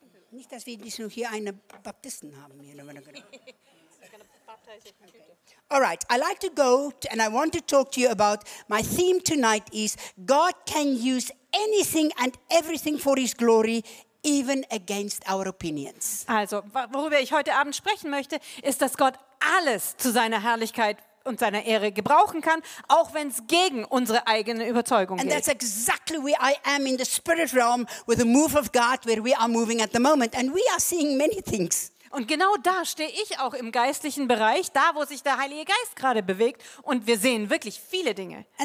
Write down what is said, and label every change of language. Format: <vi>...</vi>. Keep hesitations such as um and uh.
<de>Nicht, dass wir nur hier eine Baptisten haben. Hier, Okay.</de> <en>All right, I like to go to, and I want to talk to you about my theme tonight is God can use anything and everything for his glory even against our opinions.</en> <de>Also, wor worüber ich heute Abend sprechen möchte, ist, dass Gott alles zu seiner Herrlichkeit und seiner Ehre gebrauchen kann, auch wenn es gegen unsere eigenen Überzeugungen geht.</de> <en>And that's exactly where I am in the spirit realm with the move of God where we are moving at the moment and we are seeing many things.</en> <de>Und genau da stehe ich auch im geistlichen Bereich, da wo sich der Heilige Geist gerade bewegt und wir sehen wirklich viele Dinge.</de>